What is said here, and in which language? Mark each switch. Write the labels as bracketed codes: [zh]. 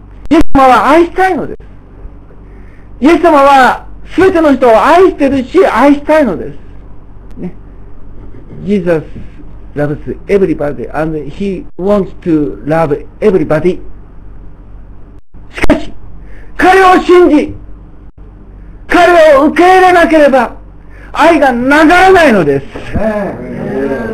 [ja] イエス様は愛したいのです。イエス様は全ての人を愛してるし、愛したいのです。ね。 [en] Jesus loves everybody and he wants to love everybody. [ja] しかし、彼を信じ、彼を受け入れなければ、愛が流れないのです。